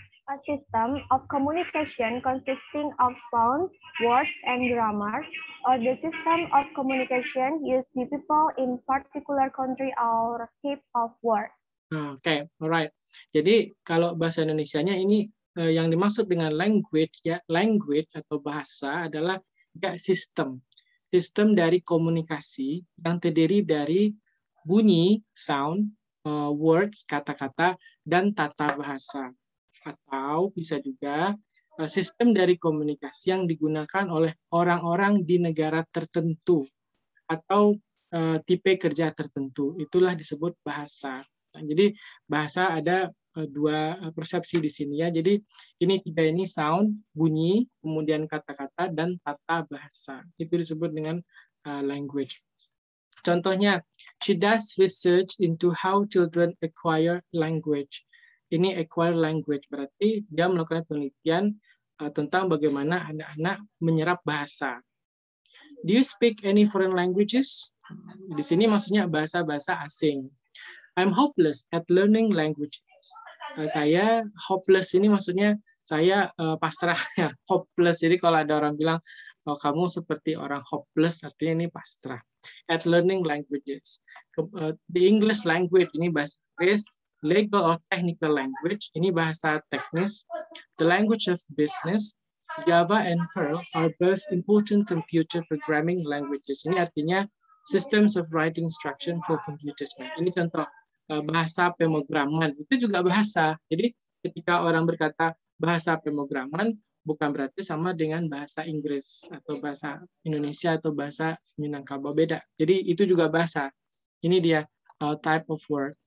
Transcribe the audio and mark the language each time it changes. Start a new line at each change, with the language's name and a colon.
English: A system of communication consisting of sound, words, and grammar, or the system of communication used by people in particular country or type of word. Okay, alright.
Indonesian: Jadi kalau bahasa Indonesianya ini yang dimaksud dengan language ya, language atau bahasa adalah ya sistem. Sistem dari komunikasi yang terdiri dari bunyi, sound, words, kata-kata, dan tata bahasa. Atau bisa juga sistem dari komunikasi yang digunakan oleh orang-orang di negara tertentu atau tipe kerja tertentu. Itulah disebut bahasa. Jadi bahasa ada dua persepsi di sini ya. Jadi ini tiga ini sound, bunyi, kemudian kata-kata, dan tata bahasa. Itu disebut dengan language.
English: Contohnya, she does research into how children acquire language.
Indonesian: Ini acquire language, berarti dia melakukan penelitian tentang bagaimana anak-anak menyerap bahasa.
English: Do you speak any foreign languages?
Indonesian: Di sini maksudnya bahasa-bahasa asing.
English: I'm hopeless at learning languages.
Indonesian: Saya hopeless, ini maksudnya saya pasrah. Hopeless, jadi kalau ada orang bilang, oh, kamu seperti orang hopeless, artinya ini pasrah.
English: At learning languages. The English language,
Indonesian: ini bahasa Inggris.
English: Legal or technical language,
Indonesian: ini bahasa teknis.
English: The language of business, Java and Perl are both important computer programming languages.
Indonesian: Ini artinya
English: systems of writing instruction for computers.
Indonesian: Ini contoh bahasa pemrograman, itu juga bahasa. Jadi ketika orang berkata bahasa pemrograman, bukan berarti sama dengan bahasa Inggris atau bahasa Indonesia atau bahasa Minangkabau, beda. Jadi itu juga bahasa. Ini dia
English: type of word.